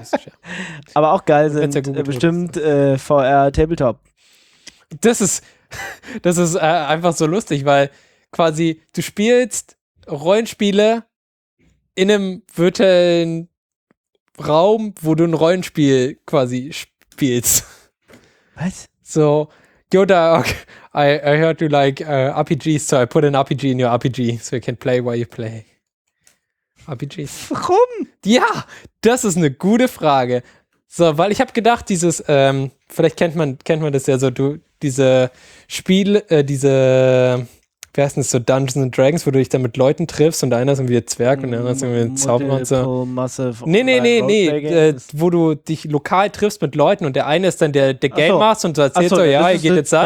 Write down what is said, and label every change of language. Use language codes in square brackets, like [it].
[de] ist, aber auch geil sind bestimmt VR Tabletop. Das ist einfach so lustig, weil quasi du spielst Rollenspiele in einem virtuellen Raum, wo du ein Rollenspiel quasi spielst. Was? [en] So, Yoda, okay, I heard you like RPGs, so I put an RPG in your RPG, so you can play while you play. RPGs. [de] Warum? Ja, das ist eine gute Frage. So, weil ich habe gedacht, dieses, vielleicht kennt man das ja so, du, diese Spiel, diese, wie heißt das, so Dungeons and Dragons, wo du dich dann mit Leuten triffst und einer ist irgendwie ein Zwerg und der andere ist irgendwie ein Zauberer und so. Nee, wo du dich lokal triffst mit Leuten und der eine ist dann der Game Master und du erzählst so, ja, ihr geht jetzt an.